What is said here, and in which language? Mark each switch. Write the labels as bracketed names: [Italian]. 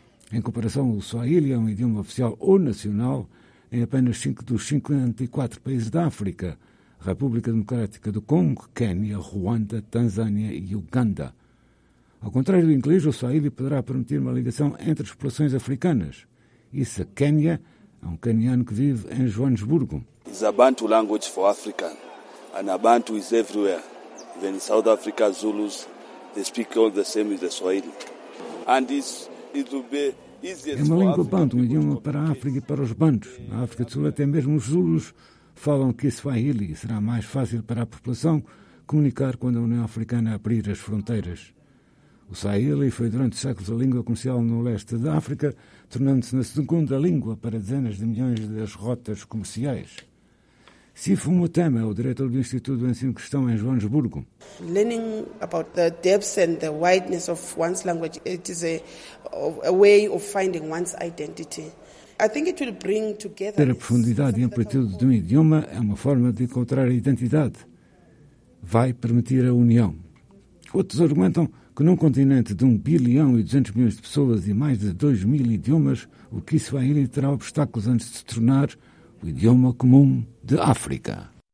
[Portuguese] Em comparação, o Swahili é um idioma oficial ou nacional em apenas 5 dos 54 países da África, República Democrática do Congo, Quênia, Ruanda, Tanzânia e Uganda. Ao contrário do inglês, o Swahili poderá permitir uma ligação entre as populações africanas. Isso é Quênia, é um queniano que vive em Joanesburgo. É uma [English] Bantu language for Africa. And Bantu is everywhere. Even in South Africa, Zulus, they speak all the same as the Swahili. And it will be easier. [Portuguese] É uma língua Bantu, um idioma para a África e para os Bantus. Na África do Sul, até mesmo os Zulus falam que Swahili será mais fácil para a população comunicar quando a União Africana abrir as fronteiras. O Swahili foi durante séculos a língua comercial no leste da África, tornando-se na segunda língua para dezenas de milhões das rotas comerciais. Sifu Mutama é o diretor do Instituto de Ensino Cristão em Joanesburgo. [English] Learning about the depths and the wideness of one's language, it is a way of finding one's identity. I think it will bring together. [Portuguese] Ter a profundidade e amplitude de um idioma é uma forma de encontrar a identidade. Vai permitir a união. Outros argumentam que num continente de 1,2 bilhão de pessoas e mais de 2,000 idiomas, o Kiswahili terá obstáculos antes de se tornar o idioma comum de África.